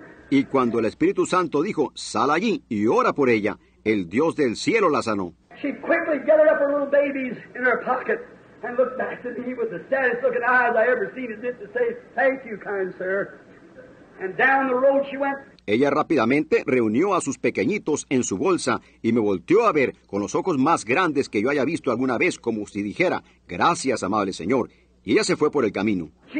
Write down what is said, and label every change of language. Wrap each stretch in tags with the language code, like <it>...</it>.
<es>Y cuando el Espíritu Santo dijo, sal allí y ora por ella, el Dios del cielo la sanó.</es> <en>She quickly gathered up her little babies in her pocket and looked back to me with the saddest looking eyes I ever seen as if to say, thank you, kind sir. And down the road she went.</en> <es>Ella rápidamente reunió a sus pequeñitos en su bolsa y me volteó a ver con los ojos más grandes que yo haya visto alguna vez, como si dijera, gracias, amable señor. Y ella se fue por el camino.</es>